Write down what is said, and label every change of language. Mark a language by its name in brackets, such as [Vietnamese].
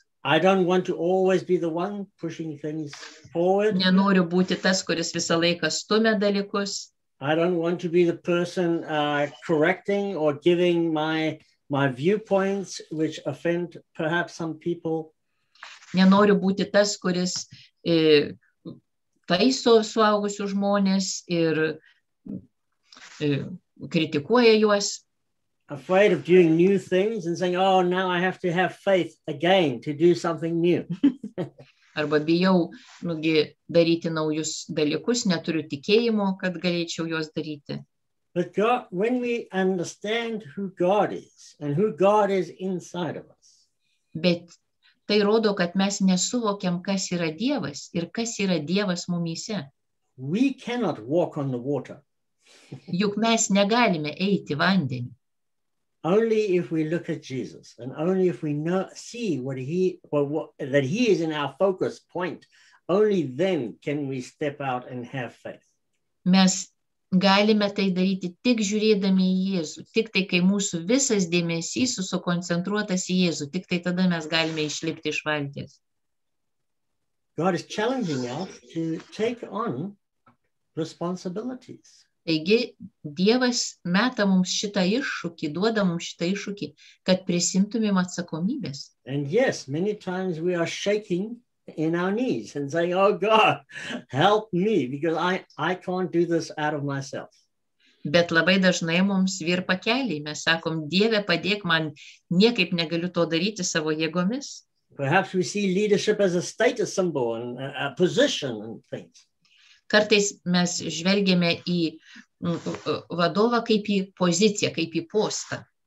[English] I don't want to always be the one pushing things forward. [Lithuanian] Nenoriu būti tas, kuris visą laiką stumia dalykus. [English] I don't want to be the person correcting or giving my viewpoints which offend perhaps some people. [Lithuanian] Nenoriu būti tas, kuris taiso suaugusių žmonės ir kritikuoja juos. [English] Afraid of doing new things and saying, oh, now I have to have faith again to do something new. [Lithuanian] Arba bijau, nugi, daryti naujus dalykus, neturiu tikėjimo, kad galėčiau juos daryti. [English] But God, when we understand who God is and who God is inside of us. [Lithuanian] Bet tai rodo, kad mes nesuvokiam, kas yra Dievas ir kas yra Dievas mumyse. [English] We cannot walk on the water. [Lithuanian] Juk mes negalime eiti vandenį. [English] Only if we look at Jesus and only if we know, see that he is in our focus point, only then can we step out and have faith. [Lithuanian] Mes Galime tai daryti tik žiūrėdami į Jėzų, tik tai kai mūsų visas dėmesys sukoncentruotas į Jėzų, tik tai tada mes galime išlipti iš valties. [English] God is challenging us to take on responsibilities. [Lithuanian] Taigi Dievas meta mums šitą iššūkį, duoda mums šitą iššūkį, kad prisimtumėm atsakomybės. [English] And yes, many times we are shaking in our knees and saying, oh God, help me, because I can't do this out of myself. [Lithuanian] Bet labai dažnai mums virpa keliai. Mes sakom, Dieve, padėk man, niekaip negaliu to daryti savo jėgomis. [English] Perhaps we see leadership as a status symbol and a position and things. [Lithuanian] Kartais mes žvelgiame į vadovą kaip į poziciją, kaip į postą.